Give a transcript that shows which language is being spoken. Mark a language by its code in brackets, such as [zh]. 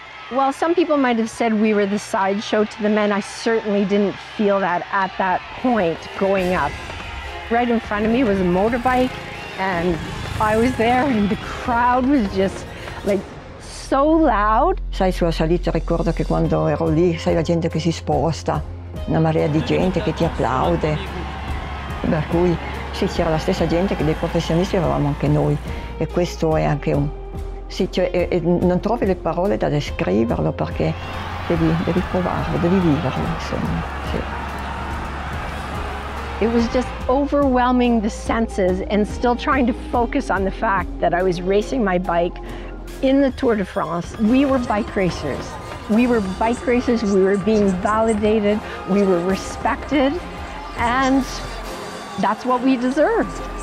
[en] While some people might have said we were the sideshow to the men, I certainly didn't feel that at that point going up. Right in front of me was a motorbike and I was there and the crowd was just like so loud. [it] Sai sulla salita ricordo che quando ero lì, sai la gente che si sposta, una marea di gente che ti applaude. Per cui sì, c'era la stessa gente che dei professionisti avevamo anche noi e questo è anche un sì, cioè, non trovi le parole da descriverlo perché devi provarlo, devi viverlo, insomma. Sì. [en] It was just overwhelming the senses and still trying to focus on the fact that I was racing my bike in the Tour de France. We were bike racers. We were bike racers, we were being validated, we were respected, and that's what we deserved.